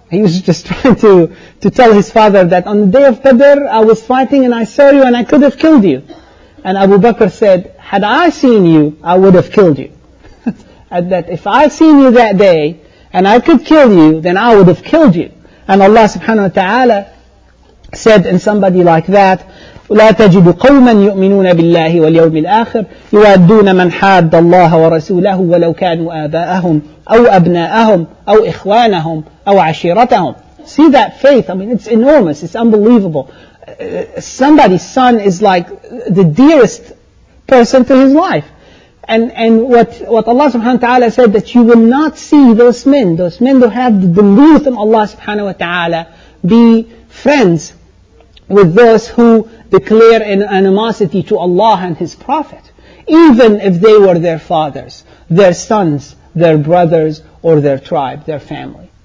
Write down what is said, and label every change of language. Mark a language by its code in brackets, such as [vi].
[en] He was just trying to tell his father that on the day of Badr, I was fighting and I saw you and I could have killed you. And Abu Bakr said, had I seen you, I would have killed you. And that if I seen you that day and I could kill you, then I would have killed you. And Allah subhanahu wa ta'ala said in somebody like that, [ar] لا تجد قوما يؤمنون بالله واليوم الآخر يوادون من حاد الله ورسوله ولو كانوا آباءهم أو أبناءهم أو إخوانهم أو عشيرتهم. [en] See that faith? I mean, it's enormous. It's unbelievable. Somebody's son is like the dearest person to his life. And what Allah subhanahu wa ta'ala said, that you will not see those men who have the belief in Allah subhanahu wa ta'ala, be friends with those who declare an animosity to Allah and His Prophet, even if they were their fathers, their sons, their brothers, or their tribe, their family.